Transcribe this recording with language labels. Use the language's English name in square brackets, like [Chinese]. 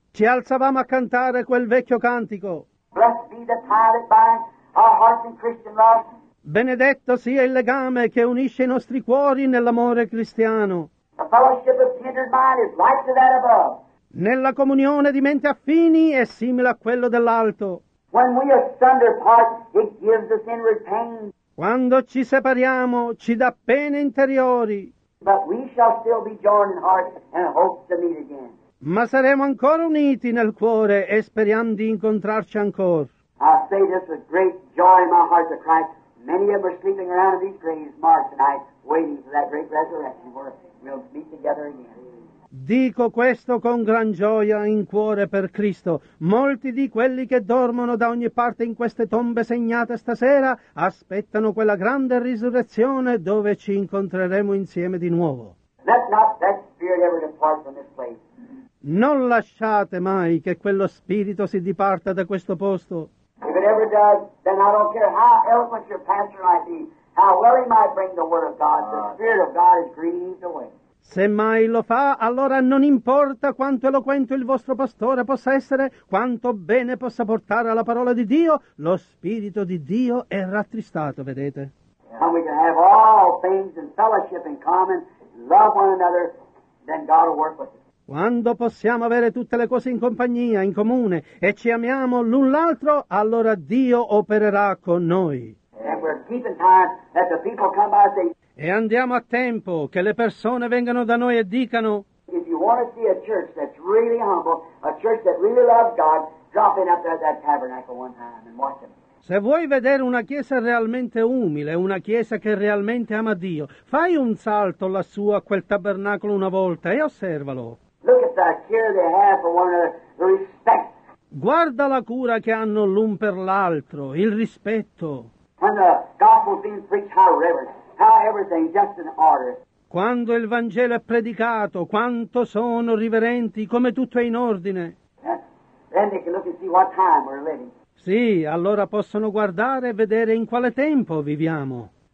[Italian] Ci alzavamo a cantare quel vecchio cantico. [English] Blessed be the tie that binds our hearts in Christian love. [Italian] Benedetto sia il legame che unisce i nostri cuori nell'amore cristiano. [English] The fellowship of kindred mind is like to that above. [Italian] Nella comunione di menti affini è simile a quello dell'alto. [English] When we asunder part, it gives us inward pain. [Italian] Quando ci separiamo, ci dà pene interiori. [English] But we shall still be joined in heart and hope to meet again. [Italian] Ma saremo ancora uniti nel cuore e speriamo di incontrarci ancora. [English] I say this with great joy in my heart to Christ. Many of them are sleeping around these graves, Mark and I, waiting for that great resurrection where we'll meet together again. [Italian] Dico questo con gran gioia in cuore per Cristo. Molti di quelli che dormono da ogni parte in queste tombe segnate stasera aspettano quella grande risurrezione dove ci incontreremo insieme di nuovo. [English] Let not that spirit ever depart from this place. [Italian] Non lasciate mai che quello spirito si diparta da questo posto. [English] If it ever does, then I don't care how eloquent your pastor might be, how well he might bring the word of God, the spirit of God is greeting the way. [Italian] Se mai lo fa, allora non importa quanto eloquente il vostro pastore possa essere, quanto bene possa portare alla parola di Dio, lo Spirito di Dio è rattristato, vedete? [English] And we can have all things in fellowship in common, love one another, then God will work with us. [Italian] Quando possiamo avere tutte le cose in compagnia, in comune, e ci amiamo l'un l'altro, allora Dio opererà con noi. [English] And we're keeping time that the people come by and say, [Italian] E andiamo a tempo che le persone vengano da noi e dicano: [English] if you want to see a church that's really humble, a church that really loves God, drop in up there at that tabernacle one time and watch them. [Italian] Se vuoi vedere una chiesa realmente umile, una chiesa che realmente ama Dio, fai un salto lassù a quel tabernacolo una volta e osservalo. [English] Look at the care they have for one another, the respect. [Italian] Guarda la cura che hanno l'un per l'altro, il rispetto. [English] When the gospel is being preached, how reverent, how everything just in order. [Italian] Quando il Vangelo è predicato, quanto sono riverenti, come tutto è in ordine. [English] Then they can look and see what time we're living. [Italian] Sì, allora possono guardare e vedere in quale tempo viviamo.